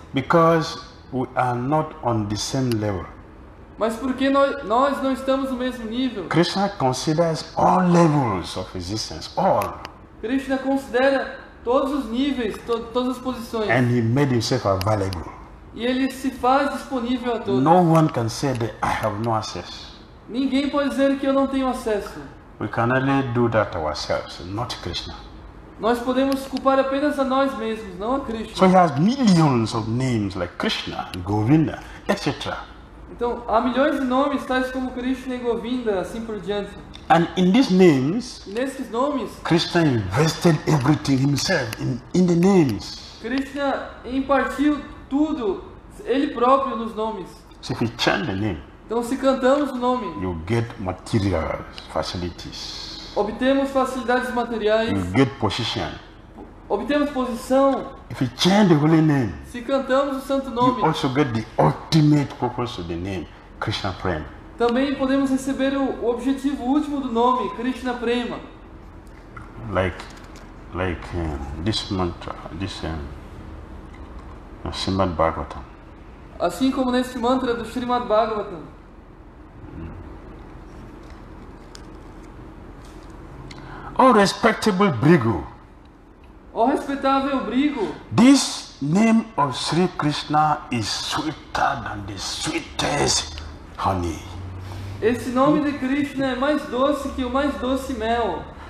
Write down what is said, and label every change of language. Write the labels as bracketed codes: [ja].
[en] Because we are not on the same level. [pt] Mas por que nós não estamos no mesmo nível? [en] Krishna considers all levels of existence, all. [pt] Krishna considera todos os níveis, todas as posições. [en] And he made himself available. [pt] E ele se faz disponível a todos. [en] No one can say that I have no access. [pt] Ninguém pode dizer que eu não tenho acesso. [en] We can only do that ourselves, not Krishna. [pt] Nós podemos culpar apenas a nós mesmos, não a Krishna. [en] So he has millions of names like Krishna, Govinda, etc. [pt] Então, há milhões de nomes tais como Krishna e Govinda, assim por diante. [en] And in these names, [pt] nesses nomes, [en] Krishna invested everything himself in the names. [pt] Krishna impartiu tudo ele próprio nos nomes. [en] So if we chant the name, [pt] então se cantamos o nome, [en] you get material facilities. [pt] Obtemos facilidades materiais. [en] You get position. [pt] Obtemos posição. [en] If we chant the holy name, [pt] se cantamos o santo nome, [en] you also get the ultimate purpose of the name, Krishna Prema. [pt] Também podemos receber o objetivo último do nome, Krishna Prema. [en] Like this mantra, this Srimad Bhagavatam. [pt] Assim como neste mantra do Srimad Bhagavatam. [en] Oh respectable Bhrigu. [pt] Oh respeitável Bhrigu. [en] This name of Sri Krishna is sweeter than the sweetest honey. [pt] Esse nome de Krishna é mais doce que o mais doce mel.